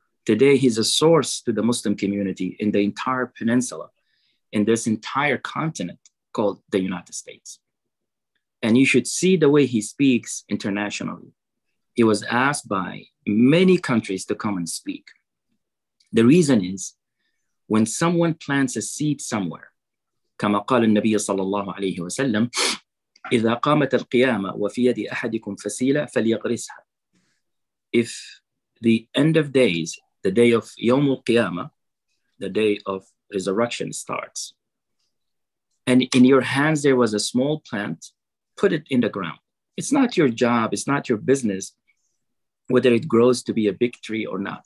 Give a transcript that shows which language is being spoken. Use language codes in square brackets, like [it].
[en] Today, he's a source to the Muslim community in the entire peninsula, in this entire continent called the United States. And you should see the way he speaks internationally. He was asked by many countries to come and speak. The reason is, when someone plants a seed somewhere, [ar] كما قال النبي صلى الله عليه وسلم, إذا قامت القيامة وفي يد أحدكم فسيلة فليغرسها. [en] If the end of days, the day of [ar] يوم القيامة, [en] the day of resurrection starts, and in your hands there was a small plant, put it in the ground. It's not your job, it's not your business, whether it grows to be a big tree or not.